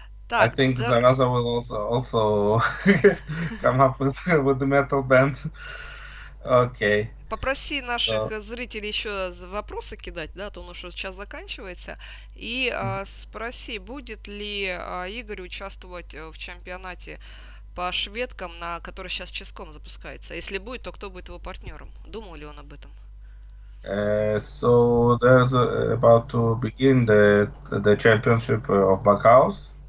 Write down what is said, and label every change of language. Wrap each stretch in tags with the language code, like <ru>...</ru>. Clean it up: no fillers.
<en>I think Zaraza will also come up with the metal bands. Okay.</en> <ru>Попроси наших зрителей еще вопросы кидать, да, то у нас сейчас заканчивается. И спроси, будет ли Игорь участвовать в чемпионате по шведкам, на который сейчас ческом запускается. Если будет, то кто будет его партнером? Думал ли он об этом?</ru> <en>So there's about to begin the championship of Bughouse.</en>